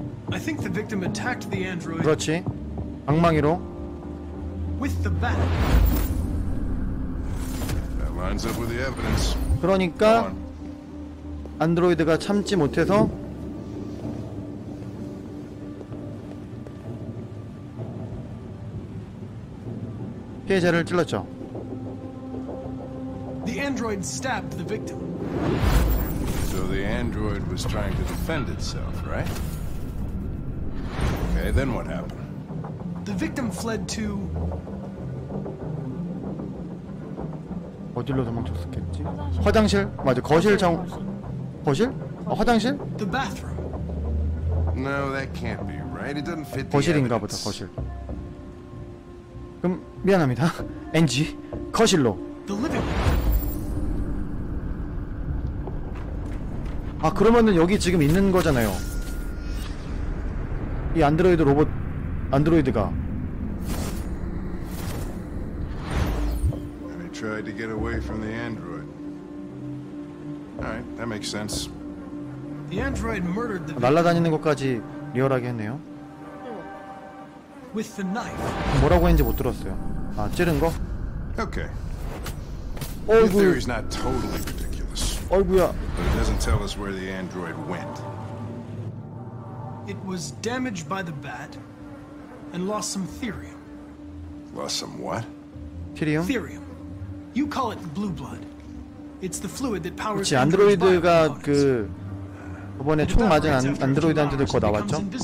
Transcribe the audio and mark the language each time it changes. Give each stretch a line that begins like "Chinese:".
English: I think the victim attacked the android.
Korean: 그렇지. 방망이로.
English: With the bat. That lines up with the evidence.
Korean: 그러니까 안드로이드가 참지 못해서 피해자를 찔렀죠.
English: The android stabbed the victim. So the android was trying to defend itself, right? Okay, then what happened? The victim fled to...
Korean: 어디로 도망쳤겠지? 화장실? 맞아, 거실 정... 거실? 어, 화장실?
English: The bathroom. No, that can't be right. It doesn't fit the
Korean: 거실인가
English: evidence.
Korean: 보다, 거실. 그럼 미안합니다. NG. 거실로.
English: The living room.
Korean: 아, 그러면은 여기 지금 있는 거잖아요. 이 안드로이드 로봇, 안드로이드가.
English: And I tried to get away from the android. Alright, that makes sense. The android murdered the.
Korean: 아, 날아다니는 것까지 리얼하게 했네요.
English: With the knife.
Korean: 뭐라고 했는지 못 들었어요. 아, 찌른 거?
English: Okay.
Korean: 어이구.
English: The theory's not totally ridiculous.
Korean: 어이구야.
English: But it doesn't tell us where the android went. It was damaged by the bat and lost some therium. Lost some what? Therium? Therium. You call it blue blood. It's the fluid that powers the android.
Korean: 그렇지, 안드로이드가 그 이번에 총 맞은 안드로이드한테도 그거 나왔죠?